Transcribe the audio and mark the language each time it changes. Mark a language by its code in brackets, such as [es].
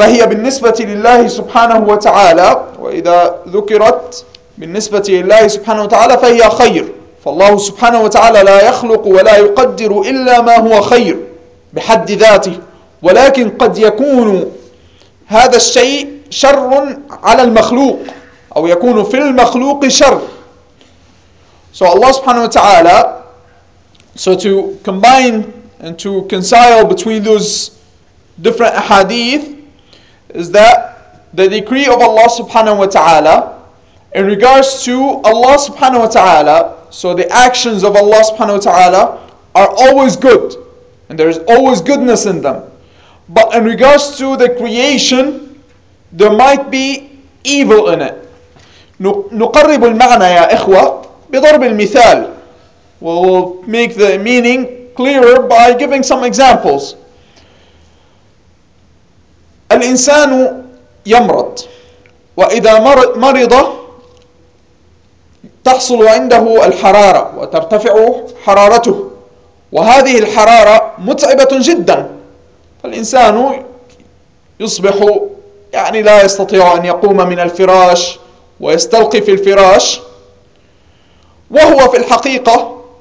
[ar] فهي بالنسبة لله سبحانه وتعالى، وإذا ذكرت بالنسبة لله سبحانه وتعالى فهي خير، فالله سبحانه وتعالى لا يخلق ولا يقدر إلا ما هو خير بحد ذاته، ولكن قد يكون هذا الشيء شر على المخلوق أو يكون في المخلوق شر. [en] So Allah subhanahu wa ta'ala, so to combine and to reconcile between those different ahadith is that the decree of Allah subhanahu wa ta'ala in regards to Allah subhanahu wa ta'ala, so the actions of Allah subhanahu wa ta'ala are always good and there is always goodness in them. But in regards to the creation, there might be evil in it. [ar] نقرب المعنى يا إخوة بضرب المثال. [en] We'll make the meaning clearer by giving some examples. [ar] الإنسان يمرض، وإذا مرض تحصل عنده الحرارة وترتفع حرارته، وهذه الحرارة متعبة جدا، فالإنسان يصبح يعني لا يستطيع أن يقوم من الفراش ويستلقي في الفراش، وهو في الحقيقة